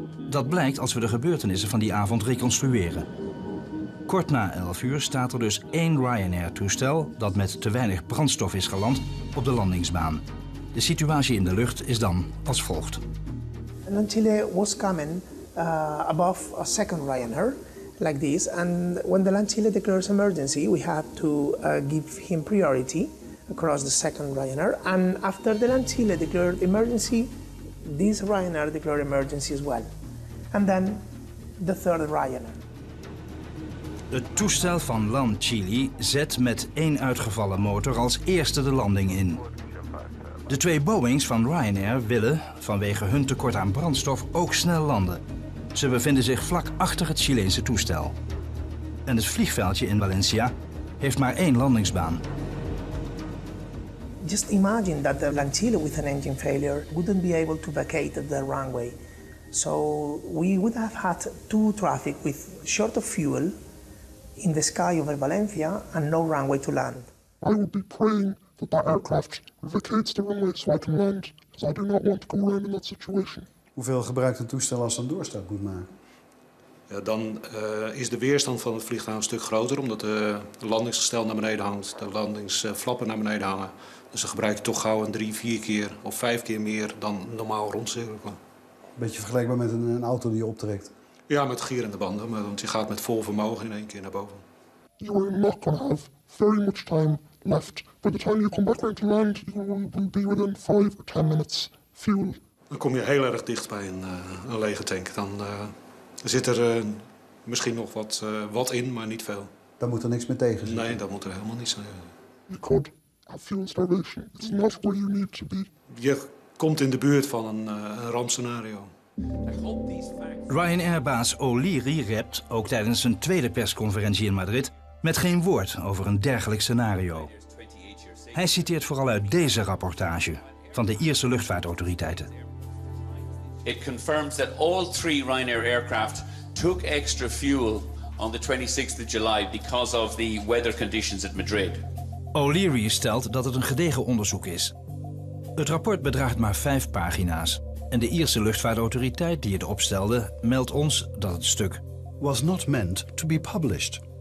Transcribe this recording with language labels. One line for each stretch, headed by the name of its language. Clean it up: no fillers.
Dutch: Dat blijkt als we de gebeurtenissen van die avond reconstrueren. Kort na 11 uur staat er dus één Ryanair-toestel dat met te weinig brandstof is geland op de landingsbaan. De situatie in de lucht is dan als volgt.
English: Een Chile was coming above a second Ryanair. Like this, and when the land Chile declares emergency, we had to give him priority across the second Ryanair. And after the land Chile declared emergency, this Ryanair declared emergency as well. And then the third Ryanair.
Dutch: Het toestel van land Chile zet met één uitgevallen motor als eerste de landing in. De twee Boeings van Ryanair willen, vanwege hun tekort aan brandstof, ook snel landen. Ze bevinden zich vlak achter het Chileense toestel. En het vliegveldje in Valencia heeft maar één landingsbaan.
English: Just imagine that the land Chile with an engine failure wouldn't be able to vacate the runway. So we would have had two traffic with short of fuel in the sky over Valencia and no runway to land. I would be praying that the aircraft vacates the runway so I can land, because I do not want to go around in that situation.
Dutch: Hoeveel gebruikt een toestel als het een doorstart moet maken? Ja, dan is de weerstand van het vliegtuig een stuk groter, omdat de landingsgestel naar beneden hangt, de landingsflappen naar beneden hangen. Dus dan gebruik je toch gauw een 3, 4 keer of 5 keer meer dan normaal rondcirkelen. Beetje vergelijkbaar met een auto die je optrekt? Ja, met gierende banden, want je gaat met vol vermogen in één keer naar boven.
English: You are not going to have very much time left. By the time you come back to land, you will be within 5 or 10 minutes fuel.
Dutch: Dan kom je heel erg dicht bij een lege tank. Dan zit er misschien nog wat in, maar niet veel. Dan moet er niks meer tegen zitten. Nee, dat moet er helemaal niet zijn.
English: You could have fuel starvation. It's not where you need to be.
Dutch: Je komt in de buurt van een rampscenario. Ryanair-baas O'Leary rept, ook tijdens zijn tweede persconferentie in Madrid, met geen woord over een dergelijk scenario. Hij citeert vooral uit deze rapportage van de Ierse luchtvaartautoriteiten.
English: It confirms that all three Ryanair aircraft took extra fuel on the 26th of July because of the weather conditions at Madrid.
Dutch: O'Leary stelt dat het een gedegen onderzoek is. Het rapport bedraagt maar 5 pagina's. En de Ierse luchtvaartautoriteit die het opstelde, meldt ons dat het stuk
English: was not meant to be published.